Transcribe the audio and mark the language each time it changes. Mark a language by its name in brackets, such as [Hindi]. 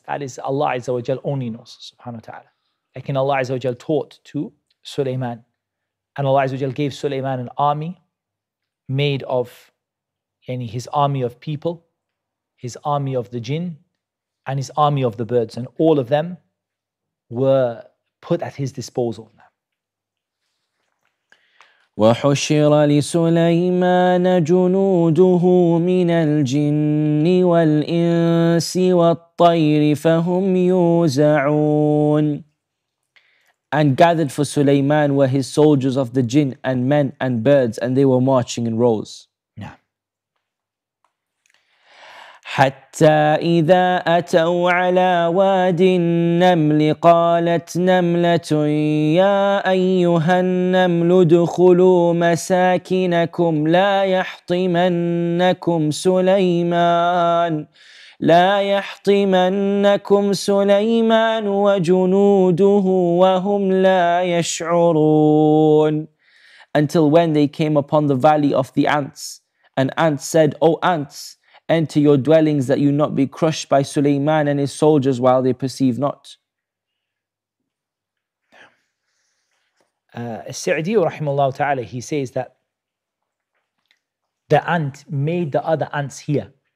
[English] That is Allah Azza wa Jal only knows, subhanahu wa ta'ala. Like, in Allah Azza wa Jal taught to Sulaiman. And Allah Azza wa Jal gave Sulaiman an army made of his army of people, his army of the jinn, and his army of the birds. And all of them were put at his disposal. [Arabic] وحشر لسليمان جنوده من الجن والإنس والطير فهم يوزعون. [English] And gathered for Sulaiman were his soldiers of the jinn and men and birds, and they were marching in rows. [Arabic] نعم. حتى إذا أتوا على واد النمل قالت نملة يا أيها النمل ادخلوا مساكنكم لا يحطمنكم سليمان لا يحطمنكم سليمان وجنوده وهم لا يشعرون. [English] Until when they came upon the valley of the ants, an ant said, O ants, enter your dwellings that you not be crushed by Sulaiman and his soldiers while they perceive not. As-Sa'di rahimahullah ta'ala, he says that the ant made the other ants hear.